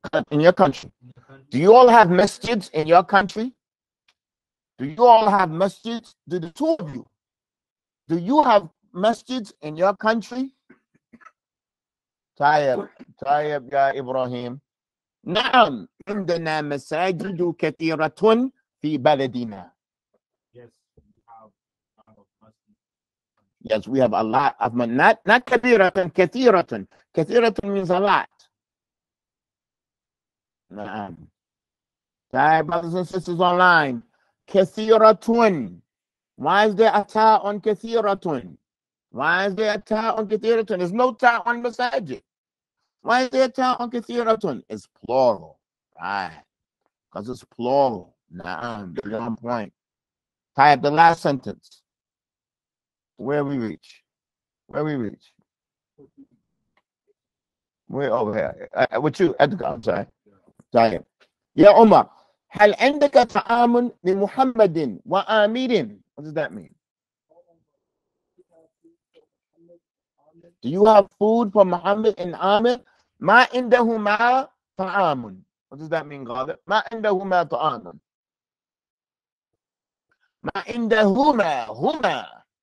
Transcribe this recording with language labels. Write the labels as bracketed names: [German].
[English] In your country, do you all have masjids in your country? Do you all have masjids? Do the two of you, do you have masjids in your country? [Arabic] طيب طيب يا إبراهيم. نعم عندنا مساجد كثيرة في بلدنا. [English] Yes, we have a lot of not كثيرة, كثيرة. كثيرة means a lot. [Arabic] نعم. [English] طيب brothers and sisters online. [Arabic] كثيرة. [English] Why is there a ta on كثيرة? Why is there a ta on كثيرة? There's no ta on مساجد. Why is there a ta on كثيرة? It's plural. Right. Because it's plural. نعم. On point. Type the last sentence. Where we reach? We're over here. With you, Edgar. I'm sorry. [Arabic] طيب يا عمر هل عندك طعام لمحمد وامير؟ [English] What does that mean? Do you have food for Muhammad and Amir? [Arabic] ما عندهما طعام. [English] What does that mean, brother? [Arabic] ما عندهما طعام. ما عندهما هما.